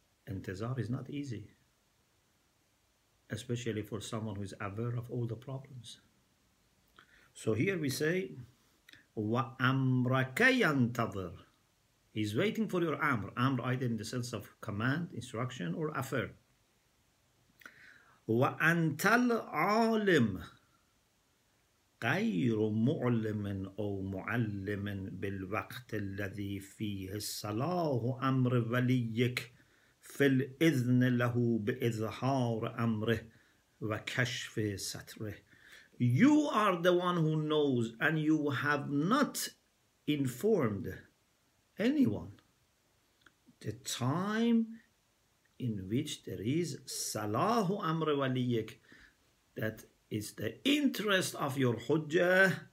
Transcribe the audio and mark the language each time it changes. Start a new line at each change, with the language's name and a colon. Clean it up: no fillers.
English: Intizar is not easy, especially for someone who is aware of all the problems.
Arabic: So here we say, وَأَمْرَكَ يَنْتَظِرْ.
English: He's waiting for your amr. Amr either in the sense of command, instruction, or affair.
Arabic: وَأَنْتَ الْعَالِمُ غير معلم أو معلم بالوقت الذي فيه صلاح أمر وليك في الإذن له بإظهار أمره وكشف ستره.
English: You are the one who knows, and you have not informed anyone the time in which there is
Arabic: صلاح أمر وليك,
English: that it's the interest of your Hujjah